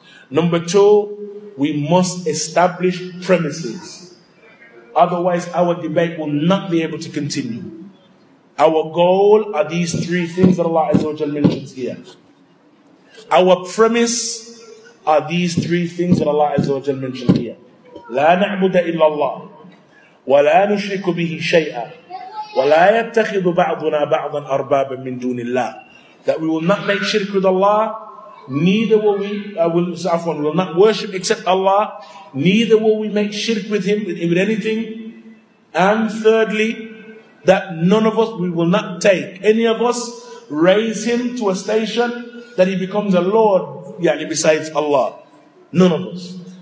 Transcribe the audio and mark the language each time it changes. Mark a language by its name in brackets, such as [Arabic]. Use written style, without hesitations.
[English] Number two, we must establish premises. Otherwise, our debate will not be able to continue. Our goal are these three things that Allah Azza wa Jal mentions here. Our premise are these three things that Allah Azza wa Jal mentions here. [Arabic] لا نعبد إلا الله ولا نشرك به شيئا ولا يتخذ بعضنا بعضا أربابا من دون الله. [English] That we will not make shirk with Allah, neither will we, will not worship except Allah, neither will we make shirk with Him, with anything. And thirdly, that none of us, we will not take any of us, raise him to a station that he becomes a lord, yani besides Allah. None of us.